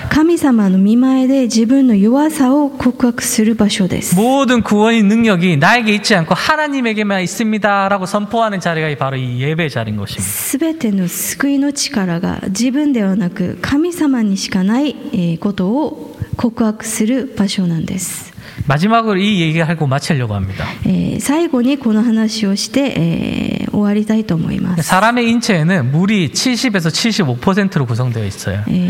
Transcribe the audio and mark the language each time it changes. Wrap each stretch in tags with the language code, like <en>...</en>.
<ja>神様の御前で自分の弱さを告白する場所です。</ja> <ko>모든구원의능력이나에게있지않고하나님에게만있습니다라고선포하는자리가바로이예배자리인것입니다。</ko> <ja>すべての救いの力が自分ではなく神様にしかないことを告白する場所なんです。</ja> <ko>마지막으로이얘기하고마치려고합니다</ko> <ja>最後にこの話をして終わりたいと思います</ja> <ko>사람의인체에는물이70에서 75% 로구성되어있어요</ko>